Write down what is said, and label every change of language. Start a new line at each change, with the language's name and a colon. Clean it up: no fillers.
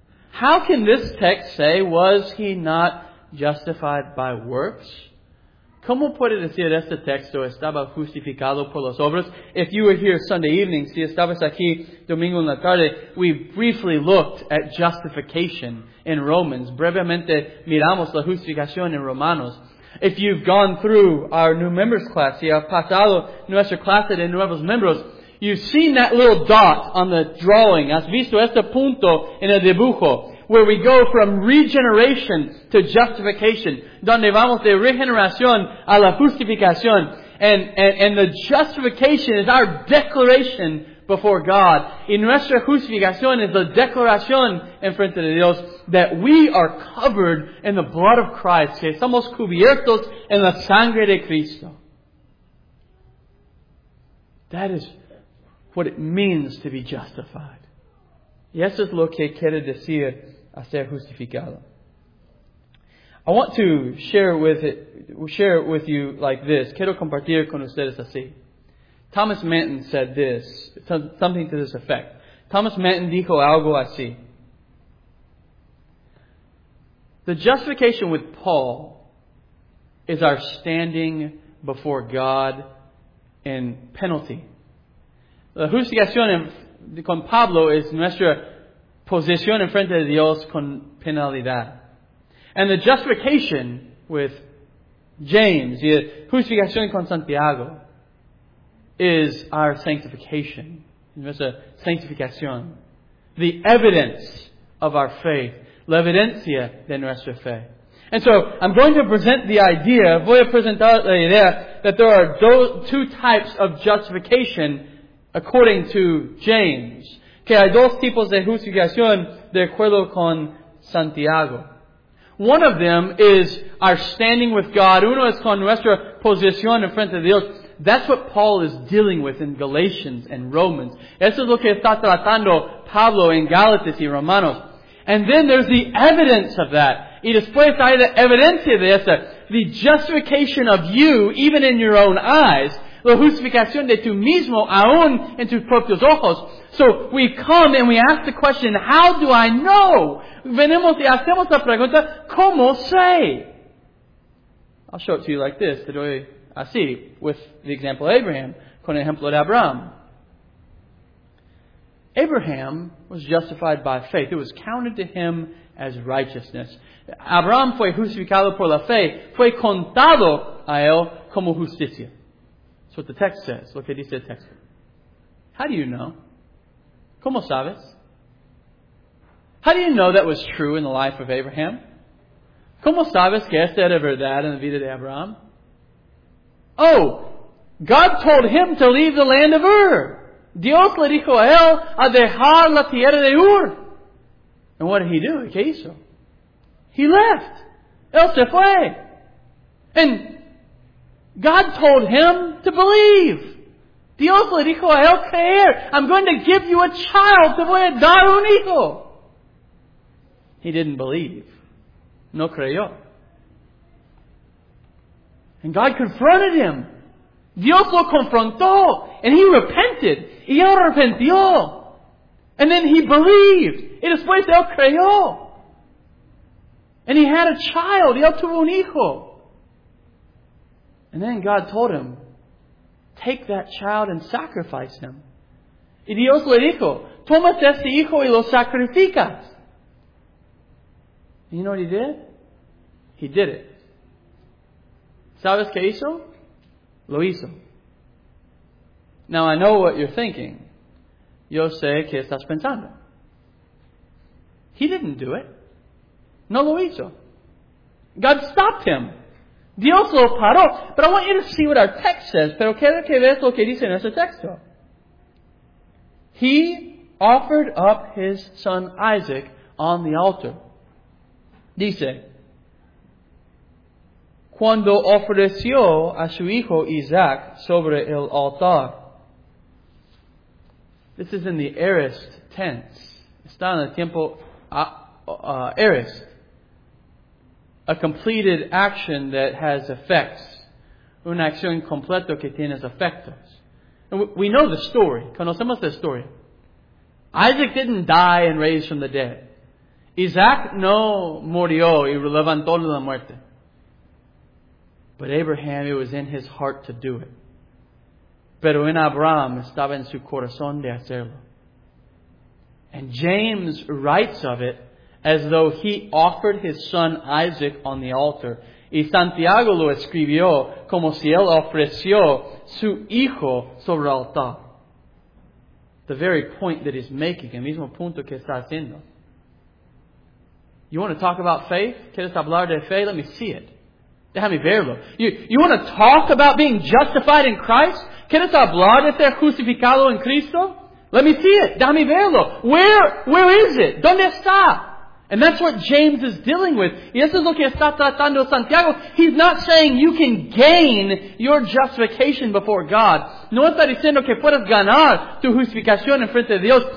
English: How can this text say, was he not justified by works?
Spanish: ¿Cómo puede decir este texto estaba justificado por las obras?
English: If you were here Sunday evening,
Spanish: si estabas aquí domingo en la tarde,
English: we briefly looked at justification in Romans.
Spanish: Brevemente miramos la justificación en Romanos.
English: If you've gone through our new members class,
Spanish: si has pasado nuestra clase de nuevos miembros,
English: you've seen that little dot on the drawing.
Spanish: Has visto este punto en el dibujo.
English: Where we go from regeneration to justification.
Spanish: Donde vamos de regeneración a la justificación.
English: And the justification is our declaration before God.
Spanish: Y nuestra justificación es la declaración en frente de Dios.
English: That we are covered in the blood of Christ.
Spanish: Que somos cubiertos en la sangre de Cristo.
English: That is what it means to be justified.
Spanish: Y eso es lo que quiere decir a ser justificado.
English: I want to share with you like this.
Spanish: Quiero compartir con ustedes así.
English: Thomas Manton said this, something to this effect.
Spanish: Thomas Manton dijo algo así.
English: The justification with Paul is our standing before God in penalty.
Spanish: La justificación con Pablo es nuestra posición en frente de Dios con penalidad.
English: And the justification with James, the
Spanish: justificación con Santiago,
English: is our sanctification.
Spanish: Nuestra sanctificación.
English: The evidence of our faith.
Spanish: La evidencia de nuestra fe.
English: And so, I'm going to present the idea,
Spanish: voy a presentar la idea,
English: that there are two types of justification according to James.
Spanish: Que hay dos tipos de justificación de acuerdo con Santiago.
English: One of them is our standing with God.
Spanish: Uno es con nuestra posición en frente de Dios.
English: That's what Paul is dealing with in Galatians and Romans.
Spanish: Eso es lo que está tratando Pablo en Gálatas y Romanos.
English: And then there's the evidence of that.
Spanish: Y después hay la evidencia de esa.
English: The justification of you, even in your own eyes.
Spanish: La justificación de tu mismo, aún en tus propios ojos.
English: So we come and we ask the question, how do I know?
Spanish: Venimos y hacemos la pregunta, ¿cómo sé?
English: I'll show it to you like this,
Spanish: te doy así,
English: with the example of Abraham,
Spanish: con el ejemplo de Abraham.
English: Abraham was justified by faith. It was counted to him as righteousness.
Spanish: Abraham fue justificado por la fe, fue contado a él como justicia.
English: That's what the text says.
Spanish: Lo que dice el texto.
English: How do you know?
Spanish: ¿Cómo sabes?
English: How do you know that was true in the life of Abraham?
Spanish: ¿Cómo sabes que esta era verdad en la vida de Abraham?
English: Oh, God told him to leave the land of Ur.
Spanish: Dios le dijo a él a dejar la tierra de Ur.
English: And what did he do?
Spanish: ¿Qué hizo?
English: He left.
Spanish: Él se fue.
English: And God told him to believe.
Spanish: Dios le dijo a él creer.
English: I'm going to give you a child.
Spanish: Te voy a dar un hijo.
English: He didn't believe.
Spanish: No creyó.
English: And God confronted him.
Spanish: Dios lo confrontó.
English: And he repented.
Spanish: Y él arrepintió.
English: And then he believed.
Spanish: Y después él creyó.
English: And he had a child.
Spanish: Y él tuvo un hijo.
English: And then God told him, take that child and sacrifice him.
Spanish: Y Dios le dijo, toma este hijo y lo sacrificas.
English: You know what he did? He did it.
Spanish: ¿Sabes qué hizo? Lo hizo.
English: Now I know what you're thinking.
Spanish: Yo sé qué estás pensando.
English: He didn't do it.
Spanish: No lo hizo.
English: God stopped him.
Spanish: Dios lo paró.
English: But I want you to see what our text says.
Spanish: Pero quiero que veas lo que dice en ese texto.
English: He offered up his son Isaac on the altar.
Spanish: Dice, cuando ofreció a su hijo Isaac sobre el altar.
English: This is in the aorist tense.
Spanish: Está en el tiempo aorist.
English: A completed action that has effects.
Spanish: Una acción completa que tiene efectos.
English: And we know the story.
Spanish: Conocemos la historia.
English: Isaac didn't die and raise from the dead.
Spanish: Isaac no murió y levantó de la muerte.
English: But Abraham, it was in his heart to do it.
Spanish: Pero en Abraham estaba en su corazón de hacerlo.
English: And James writes of it as though he offered his son Isaac on the altar.
Spanish: Y Santiago lo escribió como si él ofreció su hijo sobre el altar.
English: The very point that he's making,
Spanish: el mismo punto que está haciendo.
English: You want to talk about faith?
Spanish: ¿Quieres hablar de fe?
English: Let me see it.
Spanish: Déjame verlo.
English: You want to talk about being justified in Christ?
Spanish: ¿Quieres hablar de ser justificado en Cristo?
English: Let me see it.
Spanish: Déjame verlo.
English: Where is it?
Spanish: ¿Dónde está?
English: And that's what James is dealing with.
Spanish: Y eso es lo que está tratando Santiago.
English: He's not saying you can gain your justification before God.
Spanish: No está diciendo que puedes ganar tu justificación en frente de Dios.